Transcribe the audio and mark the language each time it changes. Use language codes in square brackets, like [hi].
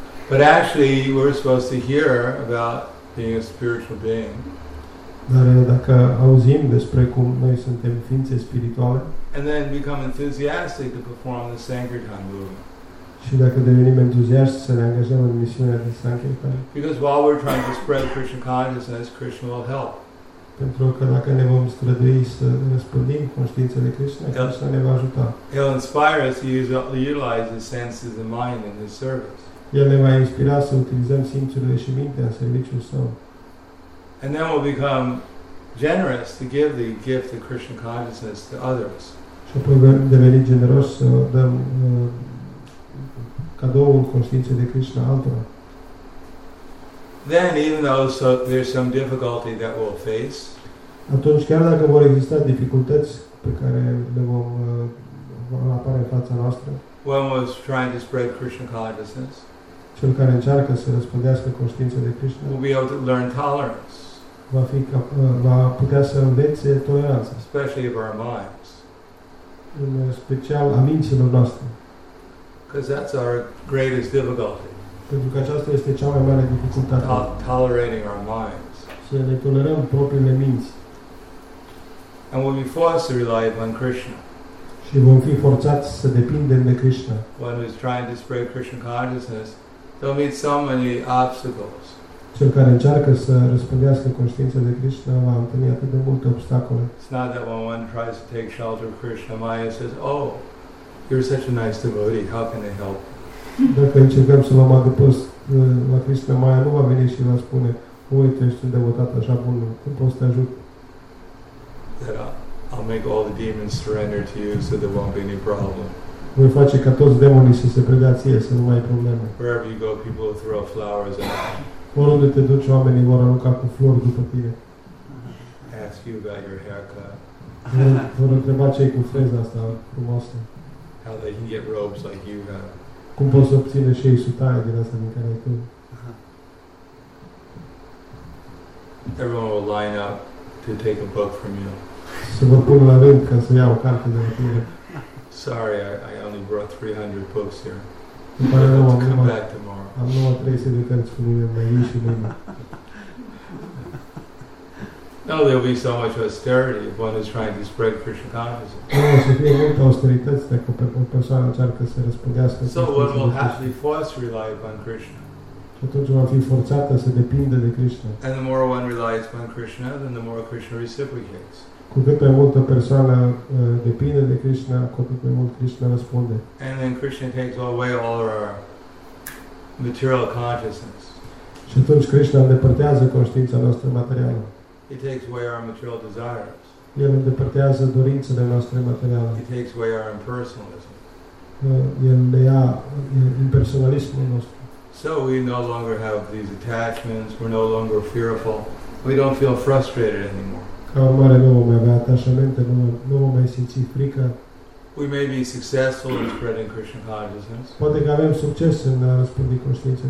[en] But actually, we're supposed to hear about being a spiritual being. [ro] Dar dacă auzim despre cum noi suntem ființe spirituale, [en] and then become enthusiastic to perform the Sankirtan movement. [ro] Și dacă devenim entuziaști să ne angajăm în misiunea de Sankirtan. [en] Because while we're trying to spread Krishna consciousness, Krishna will help. [ro] Pentru că dacă ne vom strădui să răspândim conștiința de Krishna, Krishna ne va ajuta. [en] He'll inspire us to utilize his senses and mind in his service. [ro] El ne va inspira să utilizăm simțurile și mintea în serviciul Său. [en] And then we'll become generous to give the gift of Krishna consciousness to others. [ro] Și apoi vom deveni generos să dăm cadoul conștiinței de Krishna altora. [en] Then even though so, there's some difficulty that we'll face. [ro] Atunci chiar dacă vor exista dificultăți pe care le vom apare în fața noastră. [en] One was trying to spread Krishna consciousness. [ro] Cel care încearcă să răspândească conștiința de Krishna [en] will be able to learn tolerance. [ro] Va fi va putea să învețe toleranța. [en] Especially of our minds. [ro] În special a minților noastre. [en] Because that's our greatest difficulty. [ro] Pentru că aceasta este cea mai mare dificultate. [en] Tolerating our minds. [ro] Să ne tolerăm propriile minți. [en] And we'll be forced to rely upon Krishna. [ro] Și vom fi forțați să depindem de Krishna. [en] One who is trying to spread Krishna consciousness, they'll meet so many obstacles. [ro] Cel care încearcă să răspândească conștiința de Krishna va întâlni atât de multe obstacole. [en] It's not that when one tries to take shelter of Krishna Maya says, oh, you're such a nice devotee, how can I help? [ro] Dacă încercăm să luăm adăpost la Krishna Maya, nu va veni și va spune, uite, ești un devotat așa bun, cum poți să te ajut? [en] That I'll make all the demons surrender to you so there won't be any problem. [ro] Voi face ca toți demonii să se predea ție, să nu mai ai probleme. [en] Wherever you go, people will throw flowers at you. [ro] Oriunde te duci, oamenii vor arunca cu flori după tine. [en] Ask you about your haircut. [ro] Vor întreba ce-i cu freza asta frumoasă. [en] How they can get robes like you have. [ro] Cum poți obține și ei sutaie din asta din care ai tu. [en] everyone will line up to take a book from you. [ro] Să vă pun la rând ca să iau o carte de la tine. [en] Sorry, I only brought 300 books here. [ro] Îmi pare rău, am numai 300 de cărți cu mine, mai vin și mâine. [en] No, there'll be so much austerity if one is trying to spread Krishna consciousness. [ro] No, să fie multă austeritate dacă o persoană încearcă să răspândească. [en] So one will have to be forced to rely upon Krishna. [ro] Și atunci va fi forțată să depindă de Krishna. [en] And the more one relies upon Krishna, then the more Krishna reciprocates. [ro] Cu cât mai mult o persoană depinde de Krishna, cu cât mai mult Krishna răspunde. [en] And then Krishna takes away all our material consciousness. [ro] Și atunci Krishna îndepărtează conștiința noastră materială. [en] He takes away our material desires. [ro] El îndepărtează dorințele noastre materiale. [en] He takes away our impersonalism. [ro] El ne ia impersonalismul nostru. [en] So we no longer have these attachments, we're no longer fearful. We don't feel frustrated anymore. [ro] Ca urmare, nu vom avea atașamente, nu vom mai simți frică. [en] We may be successful in spreading Krishna consciousness. [ro] Poate că avem succes în a răspândi conștiința.